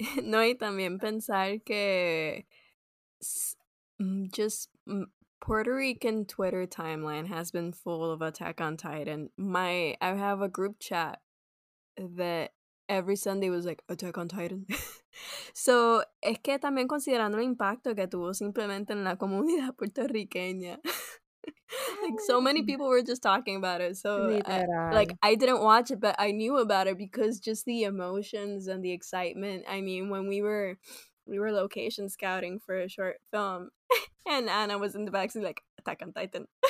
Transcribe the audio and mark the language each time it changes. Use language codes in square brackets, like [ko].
[es] no, y también pensar que [en] just Puerto Rican Twitter timeline has been full of Attack on Titan. I have a group chat that every Sunday was like Attack on Titan. [es] So es que también considerando el impacto que tuvo simplemente en la comunidad puertorriqueña. [en] Like, so many people were just talking about it, so I didn't watch it, but I knew about it because just the emotions and the excitement. I mean, when we were location scouting for a short film, and Anna was in the backseat like, Attack on Titan.